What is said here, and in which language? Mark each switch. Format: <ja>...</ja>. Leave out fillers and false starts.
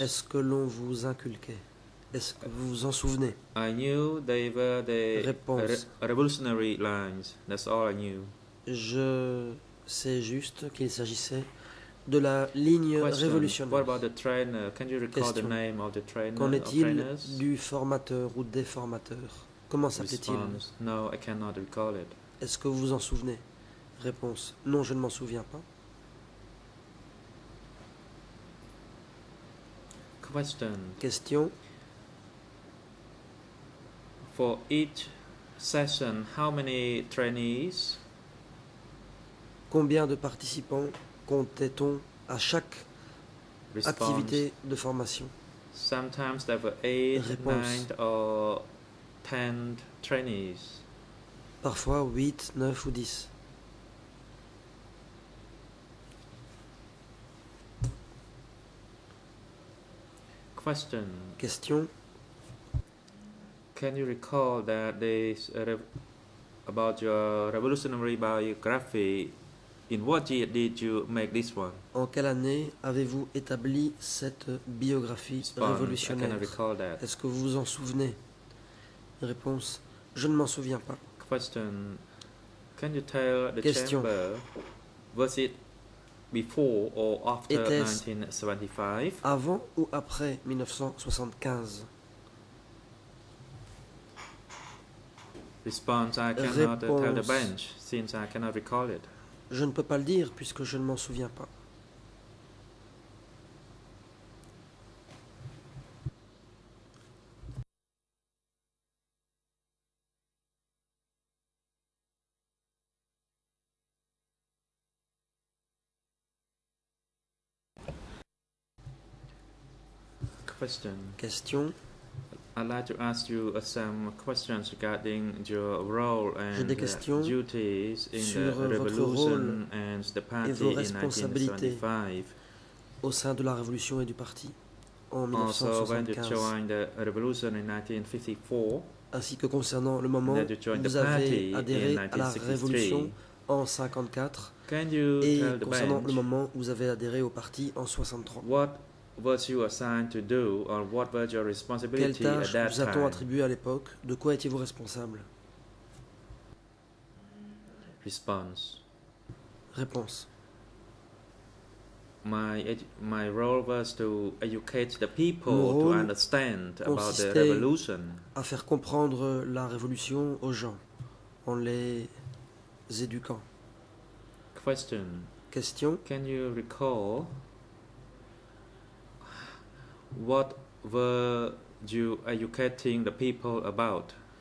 <fr>Est-ce que l'on vous inculquait? Est-ce que vous vous en souvenez?</fr> <en>I knew they were the</en> <fr>réponse.</fr> <en>Revolutionary lines. That's all I knew.</en> <fr>Je sais juste qu'il s'agissait de la ligne révolutionnaire.</fr> <en>What about the train? Can you recall the name of the train?</en> <fr>Qu'en est-il du formateur ou des formateurs? Comment s'appelait-il?</fr> <en>No, I cannot recall it.</en> <fr>Est-ce que vous vous en souvenez? Réponse: non, je ne m'en souviens pas.</fr> <en>Question: for each session, how many trainees?</en> <fr>Combien de participants comptait-on à chaque</fr> <en>response,</en> <fr>activité de formation?</fr> <en>Sometimes there were 8, 9, or 10 trainees.</en> <fr>Parfois 8, 9 ou 10.</fr> <en>Question. Can you recall that this about your revolutionary biography? In what year did you make this one?</en> <fr>En quelle année avez-vous établi cette biographie révolutionnaire?</fr> <en>I cannot recall that.</en> <fr>Est-ce que vous vous en souvenez? Réponse: je ne m'en souviens pas.</fr> <en>Question: can you tell the chamber, was it before or after 1975?</en> <fr>Avant ou après 1975?</fr> <en>Response: I cannot tell the bench since I cannot recall it.</en> <fr>Je ne peux pas le dire puisque je ne m'en souviens pas.</fr> <en>Question. I'd like to ask you some questions regarding your role and duties in the revolution and the party in 1975.</en> <fr>Au sein de la révolution et du parti en 1975.</fr> <en>Also, when you joined the revolution in 1954.</en> <fr>Ainsi que concernant le moment où vous avez adhéré à la révolution en 1954. Et concernant le moment où vous avez adhéré au parti en 1963.</fr> <en>What you assigned to do, or what was your responsibility at that time?</en> <fr>Quelle tâche vous a-t-on attribué à l'époque? De quoi étiez-vous responsable? Réponse.</fr> <en>My role was to educate the people to understand about the revolution.</en> <fr>À faire comprendre la révolution aux gens, en les éduquant.</fr> <en>Question. Can you recall what were you educating the people about?</en>